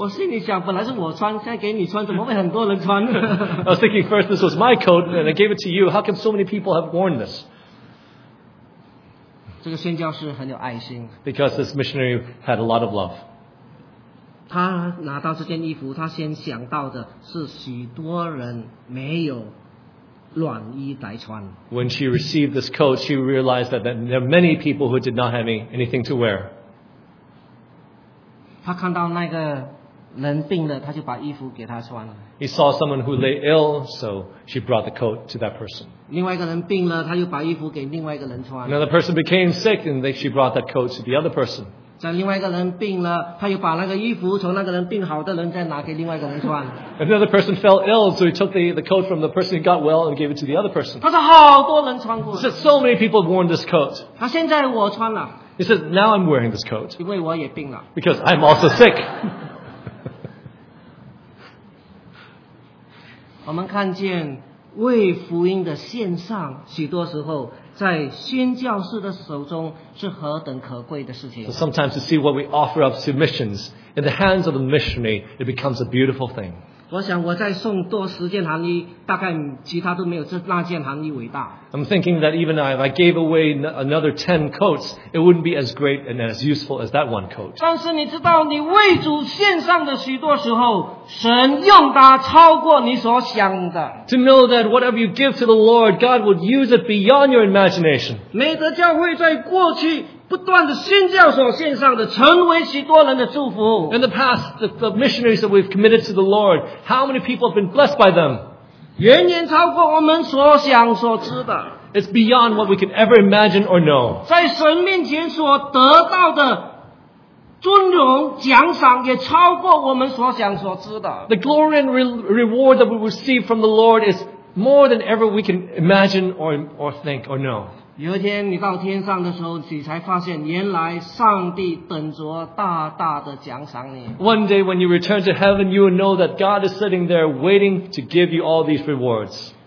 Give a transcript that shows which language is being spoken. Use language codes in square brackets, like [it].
[zh] 我心里想，本来是我穿，现在给你穿，怎么会很多人穿呢？ [en] I was thinking first this was my coat and I gave it to you. How come so many people have worn this? [zh] 这个宣教士很有爱心。 [en] Because this missionary had a lot of love. [zh] 他拿到这件衣服，他先想到的是许多人没有暖衣来穿。 [en] When she received this coat, she realized that there are many people who did not have anything to wear. [zh] 她看到那个人病了，她就把衣服给他穿了。 [en] He saw someone who lay ill, so she brought the coat to that person. [zh] 另外一个人病了，她又把衣服给另外一个人穿。 [en] Another person became sick, and she brought that coat to the other person. [zh] 在另外一个人病了，他又把那个衣服从那个人病好的人再拿给另外一个人穿。 [en] Another person fell ill, so he took the coat from the person who got well and gave it to the other person. [zh] 他说好多人穿过。 [en] He said so many people have worn this coat. [zh] 他现在我穿了。 [en] He said now I'm wearing this coat. [zh] 因为我也病了。 [en] Because I'm also sick. [zh] 我们看见为福音的献上，许多时候。在宣教士的手中是何等可贵的事情。 [en] So sometimes to see what we offer up to missions in the hands of the missionary, it becomes a beautiful thing. [zh] 我想我再送多十件寒衣，大概其他都没有这那件寒衣伟大。 [en] I'm thinking that even if I gave away another 10 coats, it wouldn't be as great and as useful as that one coat. [zh] 但是你知道，你为主献上的许多时候，神用它超过你所想的。 [en] To know that whatever you give to the Lord, God would use it beyond your imagination. [zh] 美德教会在过去不断的宣教所献上的，成为许多人的祝福。 [en] In the past, the missionaries that we've committed to the Lord, how many people have been blessed by them? [zh] 远远超过我们所想所知的。 [en] It's beyond what we could ever imagine or know. [zh] 在神面前所得到的尊荣奖赏也超过我们所想所知的。 [en] The glory and reward that we receive from the Lord is more than ever we can imagine or think or know. [zh] 有一天你到天上的时候，你才发现原来上帝等着大大的奖赏你。 [en] One day when you return to heaven, you will know that God is sitting there waiting to give you all these rewards.